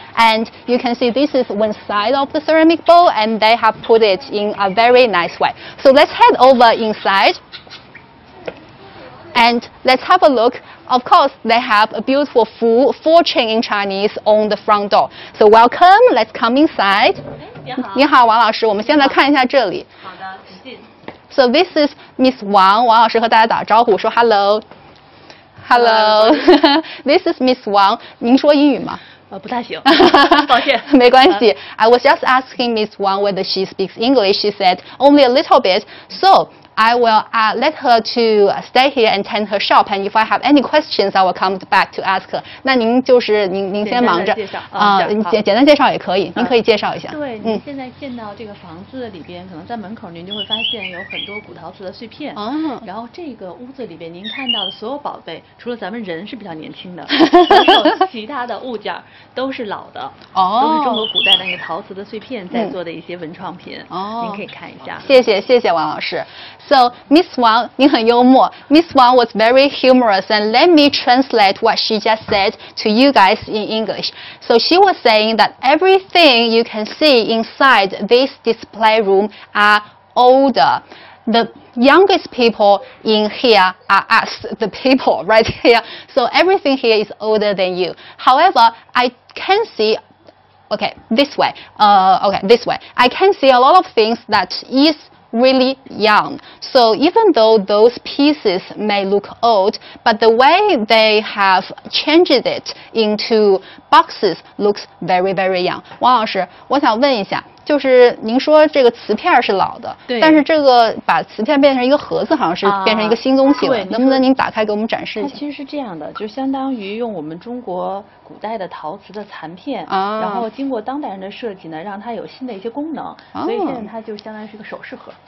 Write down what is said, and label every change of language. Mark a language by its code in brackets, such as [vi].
[en] And you can see this is one side of the ceramic bowl, and they have put it in a very nice way. So let's head over inside and let's have a look. Of course, they have a beautiful fortune in Chinese on the front door. So welcome, let's come inside. [zh] 你好，王老师，我们先来看一下这里。 [en] So this is Miss Wang. [zh] 王老师和大家打招呼，说 [en] hello. Hello. This is Miss Wang. [zh] 您说英语吗？不太行，抱歉。没关系。 [en] I was just asking Miss Wang whether she speaks English. She said only a little bit. So I will let her to stay here and tend her shop, and if I have any questions, I will come back to ask her. [zh] 那您就是您先忙着啊，简单介绍也可以，您可以介绍一下。对，您现在见到这个房子里边，可能在门口您就会发现有很多古陶瓷的碎片。哦。然后这个屋子里边，您看到的所有宝贝，除了咱们人是比较年轻的，还有其他的物件都是老的，哦，都是中国古代那个陶瓷的碎片在做的一些文创品。哦。您可以看一下。谢谢王老师。So, Miss Wang, 您很幽默。 [en] Miss Wang was very humorous, and let me translate what she just said to you guys in English. So she was saying that everything you can see inside this display room are older. The youngest people in here are us, the people right here. So everything here is older than you. However, I can see... Okay, this way. I can see a lot of things that is... really young. So even though those pieces may look old, but the way they have changed it into boxes looks very, very young. [zh] 王老师，我想问一下，就是您说这个瓷片是老的，对，但是这个把瓷片变成一个盒子好像是变成一个新东西了，对，能不能您打开给我们展示一下？它其实是这样的，就相当于用我们中国古代的陶瓷的残片，然后经过当代人的设计呢，让它有新的一些功能，所以现在它就相当于是一个首饰盒。